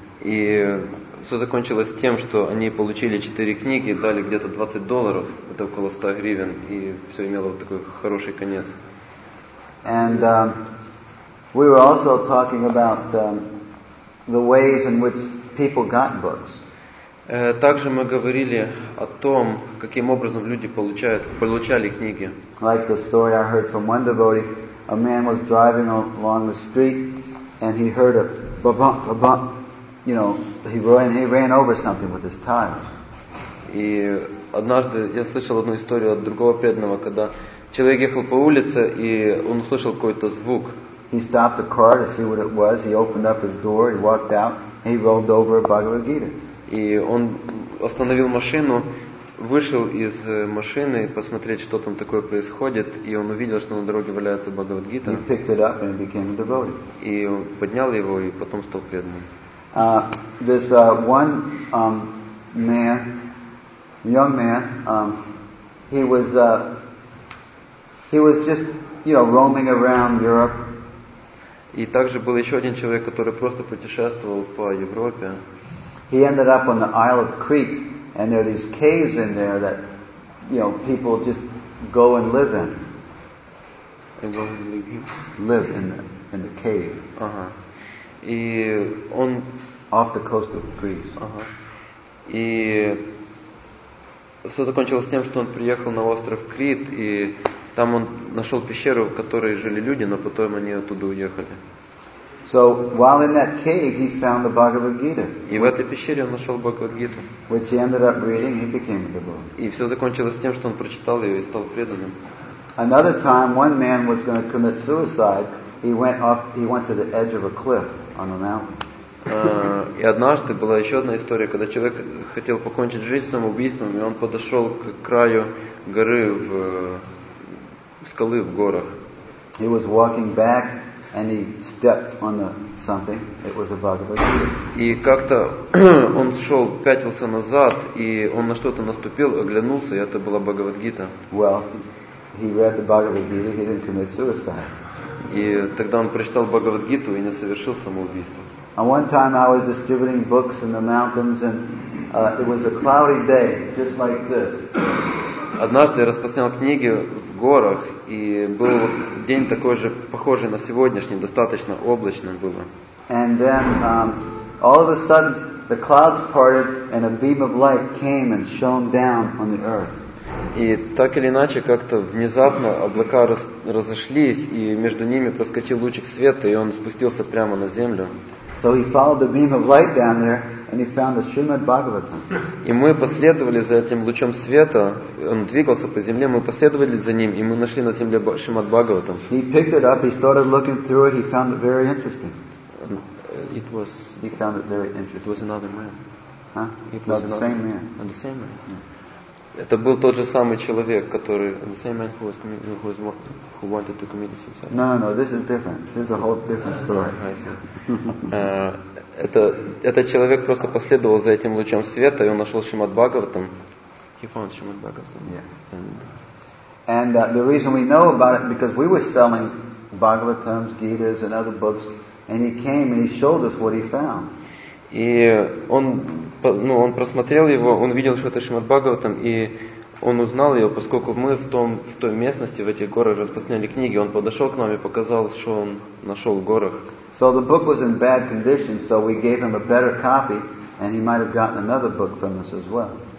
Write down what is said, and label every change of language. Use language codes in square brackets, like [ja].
[ru] И все закончилось тем, что они получили 4 книги, дали где-то $20, это около 100 гривен, и все имело вот такой хороший конец. [en] And We were also talking about the ways in which people got books. [ru] Также мы говорили о том, каким образом люди получали книги. [en] Like the story I heard from one devotee, a man was driving along the street and he heard a ba-bump, ba-bump, you know, he ran over something with his tire. [ru] И однажды я слышал одну историю от другого преданного, когда человек ехал по улице и он услышал какой-то звук. [en] He stopped the car to see what it was. He opened up his door, he walked out, and he rolled over a Bhagavad Gita. [ru] И он остановил машину, вышел из машины посмотреть, что там такое происходит, и он увидел, что на дороге валяется Бхагавад Гита. [en] He picked it up and became a devotee. [ru] И он поднял его и потом стал преданным. [en] This one man, young man, he was just, you know, roaming around Europe. [ru] И также был еще один человек, который просто путешествовал по Европе. [en] He ended up on the Isle of Crete, and there are these caves in there that, you know, people just go and live in. And go and live in? Live in the cave. [ru] Uh-huh. И он... [en] Off the coast of Greece. Uh-huh. [ru] И все закончилось тем, что он приехал на остров Крит, и там он нашел пещеру, в которой жили люди, но потом они оттуда уехали. [en] So while in that cave, he found the Bhagavad Gita. [ru] И в этой пещере он нашел Бхагавад Гиту. [en] Which he ended up reading, he became a devotee. [ru] И все закончилось тем, что он прочитал ее и стал преданным. [en] Another time, one man was going to commit suicide. He went to the edge of a cliff on a mountain. [ru] И однажды была еще одна история, когда человек хотел покончить жизнь самоубийством, и он подошел к краю горы скалы в горах. [en] He was walking back. And he stepped on something. It was a Bhagavad Gita. [ru] И как-то он шел, пятился назад, и он на что-то наступил, оглянулся, и это была Бхагавад Гита. [en] Well, he read the Bhagavad Gita. He didn't commit suicide. [ru] И тогда он прочитал Бхагавад Гиту и не совершил самоубийство. [en] And one time I was distributing books in the mountains, and it was a cloudy day, just like this. [ru] Однажды я распространял книги в горах, и был день такой же, похожий на сегодняшний, достаточно облачно было. [en] And then all of a sudden the clouds parted and a beam of light came and shone down on the earth. [ru] И так или иначе, как-то внезапно облака разошлись, и между ними проскочил лучик света, и он спустился прямо на землю. [en] So he followed the beam of light down there. And he found the Srimad Bhagavatam. [ru] И мы последовали за этим лучом света. Он двигался по земле. Мы последовали за ним, и мы нашли на земле Шримад Бхагаватам. [en] He picked it up. He started looking through it. He found it very interesting. It was. He found it very interesting. It was another man. Huh? It was the same man. And the same man. Yeah. [ru] Это был тот же самый человек, который. [en] And the same man who wanted to commit suicide. No. This is different. This is a whole different story. I see. [ru] Этот человек просто последовал за этим лучом света, и он нашел Шримад Бхагаватам. [en] He found Shrimad Bhagavatam. Yeah. And the reason we know about it because we were selling Bhagavatams, Gitas, and other books, and he came and he showed us what he found. [ru] И он, ну, он просмотрел его, он видел, что это Шримад Бхагаватам, и он узнал ее, поскольку мы в той местности, в этих горах распространяли книги. Он подошел к нам и показал, что он нашел в горах. [en] So the book was in bad condition, so we gave him a better copy, and he might have gotten another book from us as well.